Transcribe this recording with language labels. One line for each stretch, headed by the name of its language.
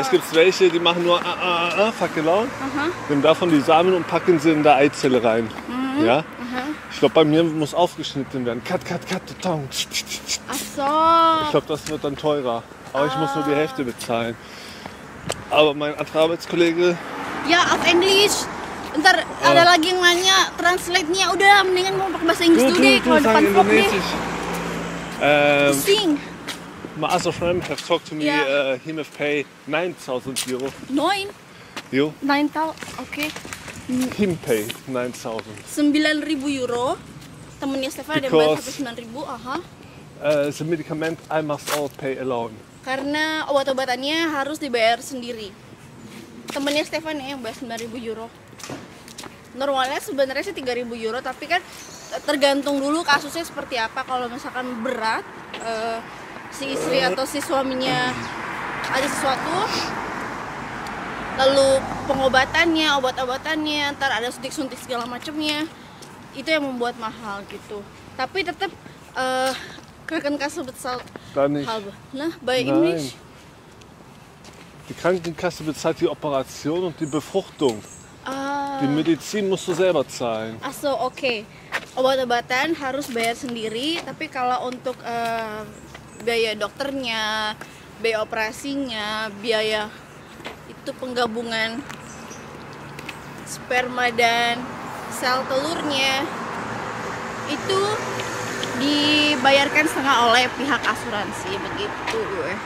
German: Es gibt welche, die machen nur Fackelau, nehmen davon die Samen und packen sie in der Eizelle rein. Mhm. Ja? Mhm. Ich glaube, bei mir muss aufgeschnitten werden.
English: Cut, cut, cut, the tongue.
German: Achso. Ich glaube, das wird dann teurer. Aber ich muss nur die Hälfte bezahlen. Aber mein anderer Arbeitskollege... Ja, auf Englisch.
Indonesian: Ntar ada lagi yang nanya, translate nya. Udah, mendingan mau pakai bahasa Inggris dulu deh. Kalau depan vlog nih. Sing.
English: My other friend have talked to me, he may pay 9000 euro. 9?
German: Jo.
English: 9000, okay. Him pay 9000. 9000 euro.
Indonesian: Temennya Stefan ada yang bayar sampai 9000, aha.
English: The medicament I must all pay alone.
Indonesian: Karena obat-obatannya harus dibayar sendiri. Temennya Stefan ya, yang bayar 9000 euro. Normalnya sebenarnya sih 3000 euro, tapi kan tergantung dulu kasusnya seperti apa. Kalau misalkan berat, si istri atau si suaminya ada sesuatu, lalu pengobatannya, obat-obatannya, ntar ada suntik-suntik segala macamnya, itu yang membuat mahal gitu. Tapi tetap
German: Krankenkasse bezahlt habe, ne? Bei ihm nicht. Die Krankenkasse bezahlt die Operation und die Befruchtung. Ah. Die Medizin musst du selber zahlen. Ach so, okay.
Indonesian: Obat-obatan harus bayar sendiri, tapi kalau untuk biaya dokternya, biaya operasinya, biaya itu penggabungan sperma dan sel telurnya, itu dibayarkan setengah oleh pihak asuransi, begitu.